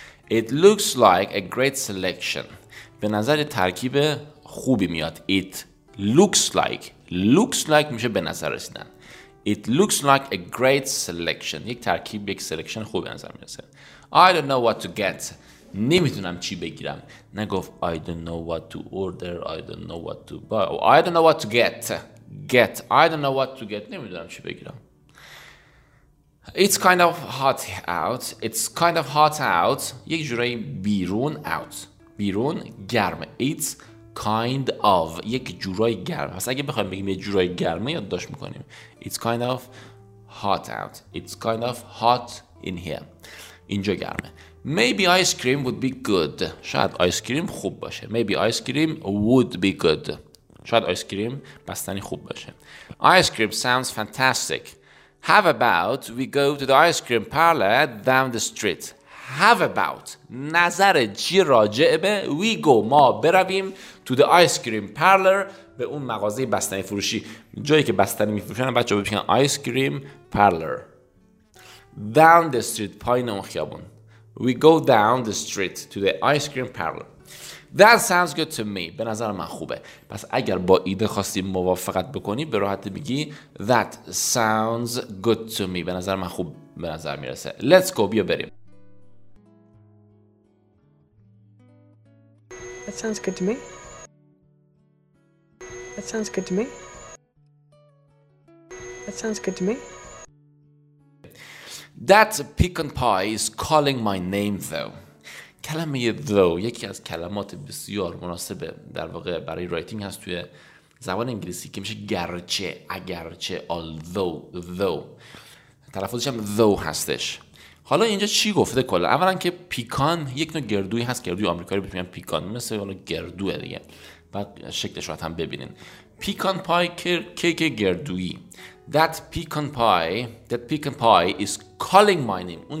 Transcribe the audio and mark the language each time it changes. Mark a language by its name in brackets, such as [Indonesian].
[English] It looks like a great selection، [Persian] به نظر ترکیب خوبی میاد. [English] It looks like، looks like [Persian] میشه به نظر رسیدن. [English] It looks like a great selection، [Persian] یک ترکیب، یک selection خوبی به نظر میرسه. [English] I don't know what to get، [Persian] نمیتونم چی بگیرم. نگفت [English] I don't know what to order، I don't know what to buy، I don't know what to get. Get، I don't know what to get، [Persian] نمیدونم چی بگیرم. [English] It's kind of hot out، It's kind of hot out، [Persian] یک جورایی بیرون، [English] out، [Persian] بیرون گرمه. [English] It's kind of، [Persian] یک جورایی گرمه. پس اگه بخوایم بگیم یک جورایی گرمه یاد داشت میکنیم. [English] It's kind of hot out، It's kind of hot in here، [Persian] اینجا گرمه. [English] Maybe ice cream would be good، [Persian] شاید آیس کریم خوب باشه. [English] Maybe ice cream would be good، [Persian] شاید آیس کریم بستنی خوب باشه. [English] Ice cream sounds fantastic. How about we go to the ice cream parlor down the street؟ have about. [Persian] نظر چی راجع به [English] we go [Persian] ما برویم [English] to the ice cream parlor [Persian] به اون مغازه بستنی فروشی جایی که بستنی میفروشن بچه ها بپیشن [English] ice cream parlor down the street [Persian] پایین اون خیابون [English] we go down the street to the ice cream parlor That sounds good to me. [Persian] به نظر من خوبه. پس اگر با ایده خواستی موافقت بکنی به راحتی بگی [English] That sounds good to me. [Persian] به نظر من خوب به نظر میرسه. [English] Let's go. [Persian] بیا بریم. [English] That sounds good to me. That sounds good to me. That sounds good to me. That pecan pie is calling my name though. [Persian] کلمه though یکی از کلمات بسیار مناسبه در واقع برای رایتینگ هست توی زبان انگلیسی که میشه گرچه اگرچه although تلفظش هم though هستش حالا اینجا چی گفته کلا اولا که پیکان یک نوع گردوی هست گردوی آمریکایی بهش میگن پیکان مثل حالا گردوه دیگه بعد شکلش رو هم ببینین پیکان پای کیک گردویی [English] That pecan pie is calling my name.